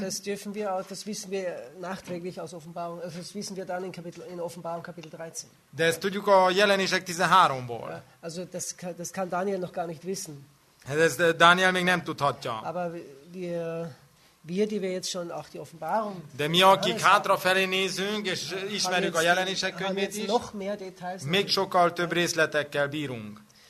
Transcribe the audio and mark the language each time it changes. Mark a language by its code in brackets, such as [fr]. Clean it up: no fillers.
[de] Das dürfen wir auch, das wissen wir nachträglich aus Offenbarung, das wissen wir dann in Offenbarung Kapitel 13. [hu] De ezt tudjuk a Jelenések 13-ból. [de] Also das kann Daniel noch gar nicht wissen. [hu] Ez Daniel még nem tudhatja. [de] Aber wir, die wir jetzt schon auch die Offenbarung. [hu] De mi, akik hátrafelé nézünk és ismerjük a Jelenések könyvét is. [de] Noch mehr Details. [hu] Még sokkal több részletekkel bírunk.